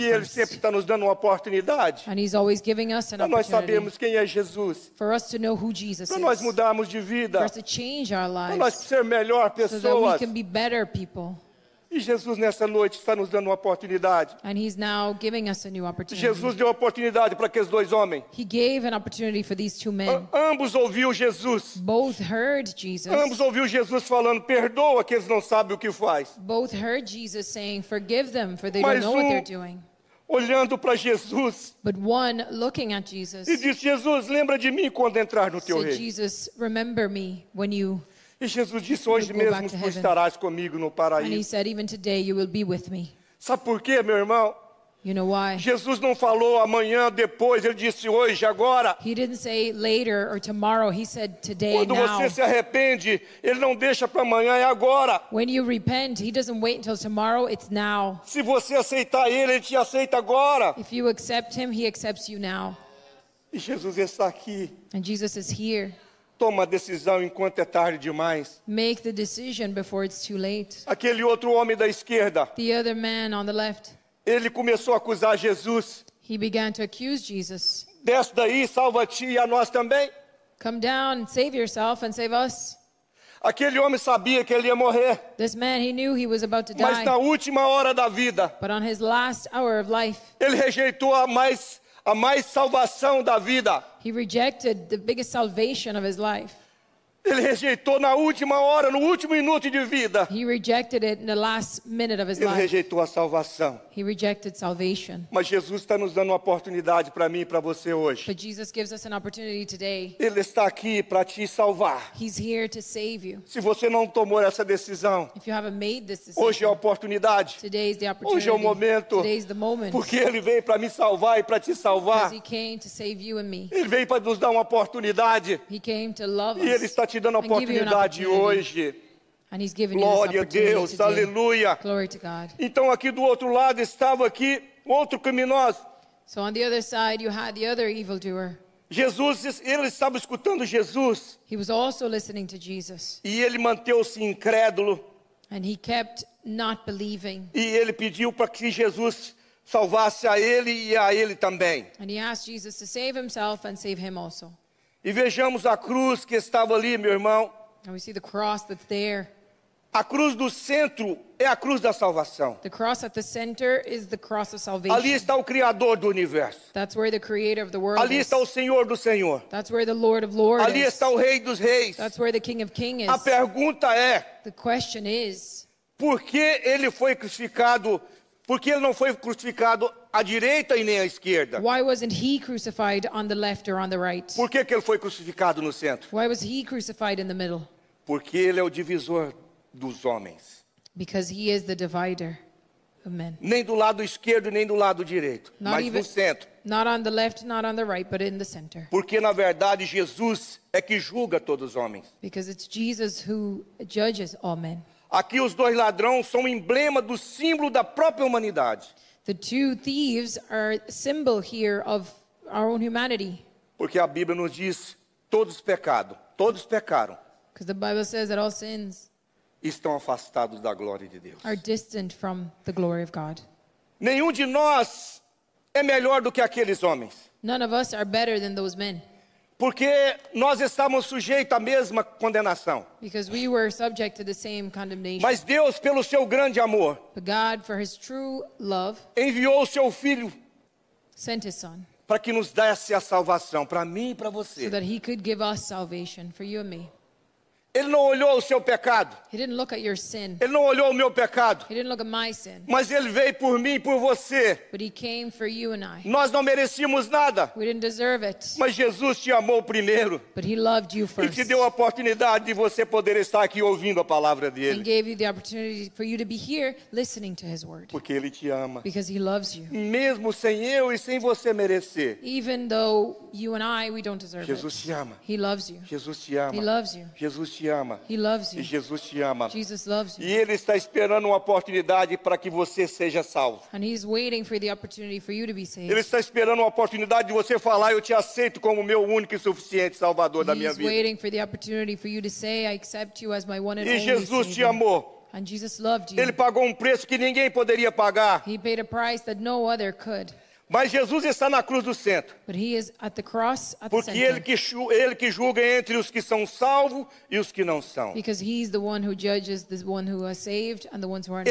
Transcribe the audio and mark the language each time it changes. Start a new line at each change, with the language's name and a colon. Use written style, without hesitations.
English: first.
Portuguese: E ele sempre está nos dando uma oportunidade.
English: And he's always giving us an opportunity.
Portuguese: Para nós sabermos quem é Jesus.
English: For us to know who Jesus is.
Portuguese: Para nós mudarmos de vida.
English: For us to change our lives.
Portuguese: Para nós ser melhor pessoas.
English: So that we can be better people.
Portuguese: E Jesus nessa noite está nos dando uma oportunidade.
English: And he's now giving us a new opportunity.
Portuguese: Jesus deu oportunidade para aqueles dois homens.
English: He gave an opportunity for these two men.
Portuguese: Ambos ouviu Jesus.
English: Both heard Jesus.
Portuguese: Ambos ouviu Jesus falando, perdoa que eles não sabem o que faz.
English: Both heard Jesus saying, forgive them for they
Portuguese: Mas
English: don't know what they're doing.
Portuguese: Olhando para Jesus.
English: But one looking at Jesus.
Portuguese: E disse, Jesus, lembra de mim quando entrar no teu
English: so
Portuguese: reino.
English: Jesus, remember me when you
Portuguese: E Jesus disse, hoje mesmo tu estarás comigo no paraíso.
English: And he said, even today you will be with me.
Portuguese: Sabe por quê, meu irmão?
English: You know why?
Portuguese: Jesus não falou amanhã, depois, ele disse hoje, agora.
English: He didn't say later or tomorrow, he said today,
Portuguese: Quando
English: now.
Portuguese: Quando você se arrepende, ele não deixa para amanhã, é agora.
English: When you repent, he doesn't wait until tomorrow, it's now.
Portuguese: Se você aceitar ele, ele te aceita agora.
English: If you accept him, he accepts you now.
Portuguese: E Jesus está aqui.
English: And Jesus is here.
Portuguese: Toma a decisão enquanto é tarde demais.
English: Make the decision before it's too late.
Portuguese: Aquele outro homem da esquerda.
English: The other man on the left.
Portuguese: Ele começou a acusar Jesus.
English: He began to accuse Jesus.
Portuguese: Desce daí, salva-te e a nós também.
English: Come down, save yourself and save us.
Portuguese: Aquele homem sabia que ele ia morrer.
English: This man, he knew he was about to die.
Portuguese: Mas na última hora da vida.
English: But on his last hour of life.
Portuguese: Ele rejeitou a mais salvação da vida.
English: He rejected the biggest salvation of his life.
Portuguese: Ele rejeitou na última hora, no último minuto de vida.
English: He rejected it in the last minute of his
Portuguese: Ele
English: life.
Portuguese: Ele rejeitou a salvação.
English: He rejected salvation.
Portuguese: Mas Jesus está nos dando uma oportunidade para mim e para você hoje.
English: But Jesus gives us an opportunity today.
Portuguese: Ele está aqui para te salvar.
English: He's here to save you.
Portuguese: Se você não tomou essa decisão,
English: if you haven't made this decision,
Portuguese: hoje é a oportunidade.
English: Today is the opportunity.
Portuguese: Hoje é o momento.
English: Today is the moment.
Portuguese: Porque Ele veio para me salvar e para te salvar.
English: Because He came to save you and me.
Portuguese: Ele veio para nos dar uma oportunidade.
English: He came to love
Portuguese: e Ele
English: us.
Portuguese: Está te dando a oportunidade hoje.
English: And he's given
Portuguese: Glória
English: you this opportunity
Portuguese: a Deus, aleluia.
English: Glory to God.
Portuguese: Então aqui do outro lado estava aqui outro criminoso.
English: So on the other side you had the other evildoer.
Portuguese: Jesus, ele estava escutando Jesus.
English: He was also listening to Jesus.
Portuguese: E ele manteve-se incrédulo.
English: And he kept not believing.
Portuguese: E ele pediu para que Jesus salvasse a ele e a ele também.
English: And he asked Jesus to save himself and save him also.
Portuguese: E vejamos a cruz que estava ali, meu irmão.
English: And we see the cross that's there.
Portuguese: A cruz do centro é a cruz da salvação.
English: The cross at the center is the cross of salvation.
Portuguese: Ali está o Criador do universo.
English: That's where the creator of the world
Portuguese: ali
English: is.
Portuguese: Ali está o Senhor do Senhor.
English: That's where the Lord of Lords
Portuguese: ali
English: is.
Portuguese: Ali está o Rei dos Reis.
English: That's where the King of Kings is.
Portuguese: A pergunta é,
English: the question is,
Portuguese: por que ele foi crucificado? Por que ele não foi crucificado à direita e nem à esquerda?
English: Why wasn't he crucified on the left or on the right?
Portuguese: Por que ele foi crucificado no centro?
English: Why was he crucified in the middle?
Portuguese: Porque ele é o divisor dos homens.
English: Because he is the divider. Amen.
Portuguese: Nem do lado esquerdo, nem do lado direito,
English: not
Portuguese: mas
English: even,
Portuguese: no centro.
English: Not on the left, not on the right, but in the center.
Portuguese: Porque na verdade Jesus é que julga todos os homens.
English: Because it's Jesus who judges all men.
Portuguese: Aqui os dois ladrões são emblema do símbolo da própria humanidade.
English: The two thieves are symbol here of our own humanity.
Portuguese: Porque a Bíblia nos diz todos pecaram, todos pecaram.
English: Because the Bible says that all sins
Portuguese: estão afastados da glória de Deus.
English: Are distant from the glory of God.
Portuguese: Nenhum de nós é melhor do que aqueles homens.
English: None of us are better than those men.
Portuguese: Porque nós estávamos sujeitos à mesma condenação.
English: Because we were subject to the same condemnation.
Portuguese: Mas Deus, pelo seu grande amor,
English: but God, for his true love,
Portuguese: enviou o seu filho,
English: sent his son,
Portuguese: para que nos desse a salvação, para mim e para você.
English: So that he could give us salvation for you and me.
Portuguese: Ele não olhou o seu pecado.
English: He didn't look at your sin.
Portuguese: Ele não olhou o meu pecado.
English: He didn't look at my sin.
Portuguese: Mas ele veio por mim e por você.
English: But he came for you and I.
Portuguese: Nós não merecíamos nada.
English: We didn't deserve it.
Portuguese: Mas Jesus te amou primeiro.
English: But he loved you first.
Portuguese: E te deu a oportunidade de você poder estar aqui ouvindo a palavra dele.
English: And gave you the opportunity for you to be here listening to his word.
Portuguese: Porque ele te ama.
English: Because he loves you.
Portuguese: Mesmo sem eu e sem você merecer.
English: Even though you and I, we don't deserve
Portuguese: Jesus
English: it.
Portuguese: Jesus te ama.
English: He loves you.
Portuguese: Jesus te ama.
English: He loves you.
Portuguese: Jesus te ama.
English: He loves you.
Portuguese: E Jesus te ama.
English: Jesus loves you.
Portuguese: E ele está esperando uma oportunidade para que você seja salvo.
English: And he's waiting for the opportunity for you to be saved.
Portuguese: Ele está esperando uma oportunidade de você falar, eu te aceito como meu único e suficiente salvador da minha vida.
English: He's waiting for the opportunity for you to say, I accept you as my one and only.
Portuguese: E Jesus
English: Savior.
Portuguese: Te amou.
English: And Jesus loved you.
Portuguese: Ele pagou um preço que ninguém poderia pagar.
English: He paid a price that no other could.
Portuguese: Mas Jesus está na cruz do centro.
English: But he is at the cross at
Portuguese: porque
English: the center.
Portuguese: Porque ele que julga entre os que são salvos e os que não são.
English: Because he is the one who judges the one who are saved and the ones who are not.